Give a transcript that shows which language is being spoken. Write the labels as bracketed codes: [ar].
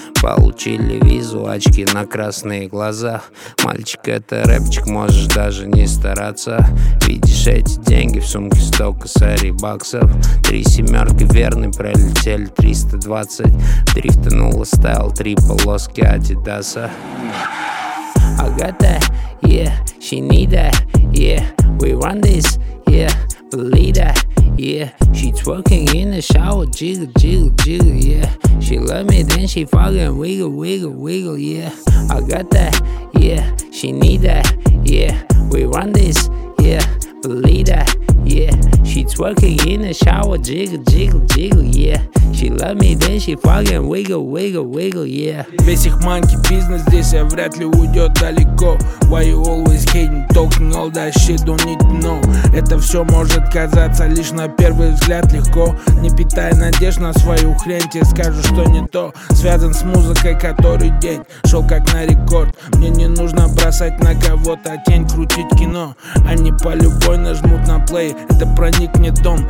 [ru] Получили визу, очки на красные глаза. Мальчик, это рэпчик, можешь даже не стараться. Видишь эти деньги, в сумке столько сари баксов. Три семерки верны, пролетели 320. Дрифтануло стайл, три полоски адидаса. [en] I got that, yeah, she need that, yeah. We run this, yeah, believe that, yeah. She twerking in the shower, jiggle, jiggle, jiggle, yeah. She love me, then she fucking wiggle, wiggle, wiggle, yeah. I got that, yeah, she need that, yeah. We run this, yeah, believe that, yeah. She twerking in the shower, jiggle, jiggle, jiggle, yeah. She love me, then she fucking wiggle, wiggle, wiggle, yeah. [ru] Весь их манки бизнес здесь, а вряд ли уйдет далеко. [en] Why you always hating, talking all that shit, don't need to know. [ru] Это все может казаться лишь на первый взгляд легко. Не питай надежд на свою хрень, тебе скажу, что не то. Связан с музыкой, который день шел как на рекорд. Мне не нужно бросать на кого-то тень, крутить кино. Они по любой нажмут на play, это проникнет дом.